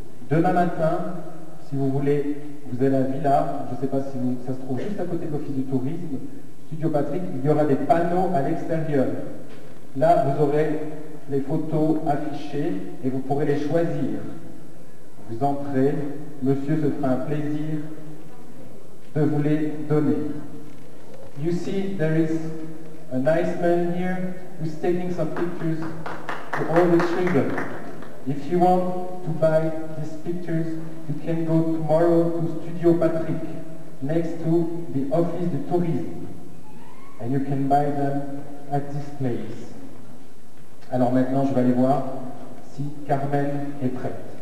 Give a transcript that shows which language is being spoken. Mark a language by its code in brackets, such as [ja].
[fr] Demain matin, si vous voulez, vous allez à Villa, je ne sais pas si vous, ça se trouve juste à côté de l'office du tourisme, studio Patrick, il y aura des panneaux à l'extérieur. Là, vous aurez les photos affichées et vous pourrez les choisir. Vous entrez, monsieur se fera un plaisir de vous les donner. [en] You see, there is a nice man here who's taking some pictures for all the children. If you want to buy these pictures, you can go tomorrow to Studio Patrick, next to the Office de Tourisme. And you can buy them at this place. [fr] Alors maintenant, je vais aller voir si Carmen est prête.